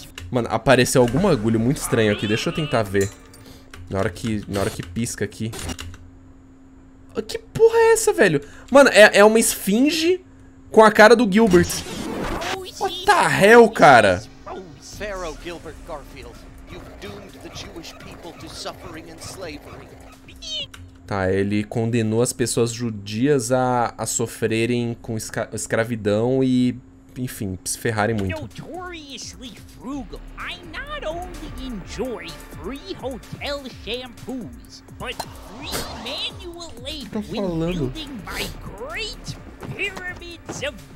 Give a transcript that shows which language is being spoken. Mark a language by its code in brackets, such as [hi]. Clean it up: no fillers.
[pt] Mano, apareceu algum agulho muito estranho aqui. Deixa eu tentar ver. Na hora que pisca aqui. Que porra é essa, velho? Mano, é uma esfinge com a cara do Gilbert. [en] What the hell, [pt] cara? [en] Pharaoh Gilbert Garfield. You've doomed the Jewish people to suffering and slavery. [pt] Tá, ele condenou as pessoas judias a sofrerem com escravidão e, enfim, se ferrarem muito. [en] Notoriously frugal. I not only enjoy free hotel shampoos, but free manual labor when building my great pyramids of